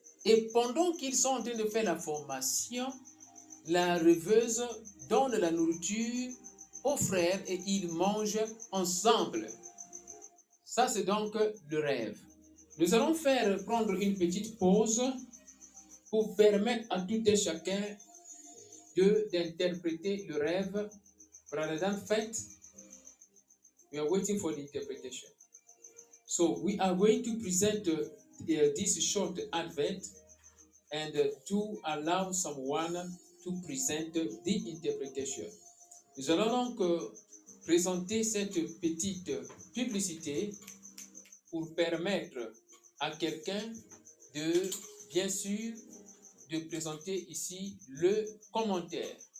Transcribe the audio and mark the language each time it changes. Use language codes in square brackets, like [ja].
[fr] Et pendant qu'ils sont en train de faire la formation, la rêveuse donne la nourriture au frère et ils mangent ensemble. Ça, c'est donc le rêve. Nous allons prendre une petite pause pour permettre à tout un chacun d'interpréter le rêve. [en] Rather than fact, we are waiting for the interpretation. So, we are going to present this short advent and to allow someone to present the interpretation. [fr] Nous allons donc présenter cette petite publicité pour permettre à quelqu'un de, bien sûr, de présenter ici le commentaire.